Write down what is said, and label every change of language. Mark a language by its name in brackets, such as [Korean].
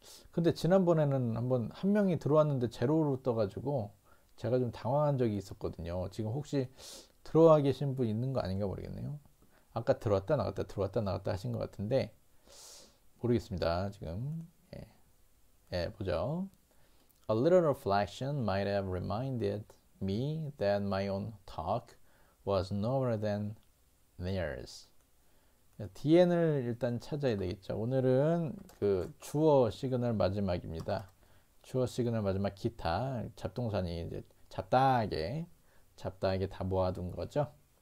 [Korean] 근데 지난번에는 한번 한 명이 들어왔는데 제로로 떠가지고 제가 좀 당황한 적이 있었거든요. 지금 혹시 들어와 계신 분 있는 거 아닌가 모르겠네요. 아까 들어왔다 나갔다 하신 것 같은데 모르겠습니다. 지금 예, 보죠. [English] A little reflection might have reminded me that my own talk was nobler than theirs. [Korean] DN을 일단 찾아야 되겠죠. 오늘은 그 주어 시그널 마지막입니다. 주어 시그널 마지막 기타 잡동사니 이제 잡다하게 다 모아둔 거죠.